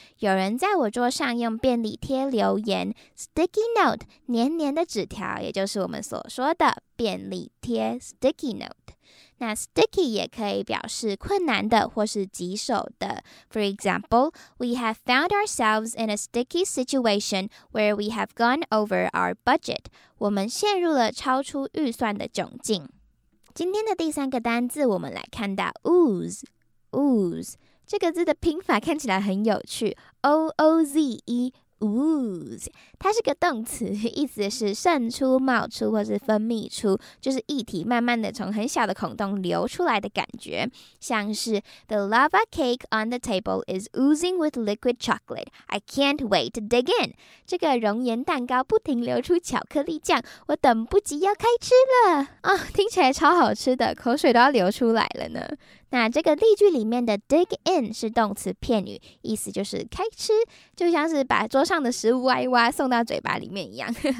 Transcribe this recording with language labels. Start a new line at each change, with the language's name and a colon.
Chinese: 有人在我桌上用便利贴留言 Sticky note, 黏黏的纸条，也就是我们所说的便利贴 Sticky note. 那 sticky 也可以表示困难的或是棘手的。
English: For example, we have found ourselves in a sticky situation where we have gone over our budget.
Chinese: 我们陷入了超出预算的窘境。今天的第三个单字，我们来看到 ooze, ooze 这个字的拼法看起来很有趣 ，ooze, ooze， 它是个动词，意思是渗出、冒出或是分泌出，就是液体慢慢的从很小的孔洞流出来的感觉。
English: 像是 The lava cake on the table is oozing with liquid chocolate. I can't wait to dig in.
Chinese: 这个熔岩蛋糕不停流出巧克力酱，我等不及要开吃了。哦，听起来超好吃的，口水都要流出来了呢。那这个例句里面的 dig in 是动词片语，意思就是开吃，就像是把桌上的食物挖一挖送到嘴巴里面一样。